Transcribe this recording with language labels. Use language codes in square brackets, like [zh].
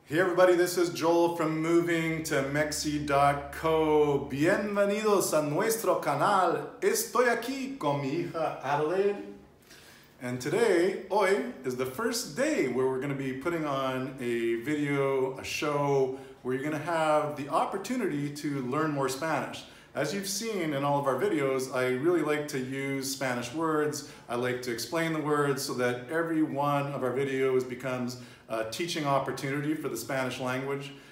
[en] Hey everybody, this is Joel from movingtomexi.co. [es] Bienvenidos a nuestro canal. Estoy aquí con mi hija Adelaide. [en] And today, hoy, is the first day where we're going to be putting on a video, a show, where you're going to have the opportunity to learn more Spanish. As you've seen in all of our videos, I really like to use Spanish words. I like to explain the words so that every one of our videos becomes a teaching opportunity for the Spanish language.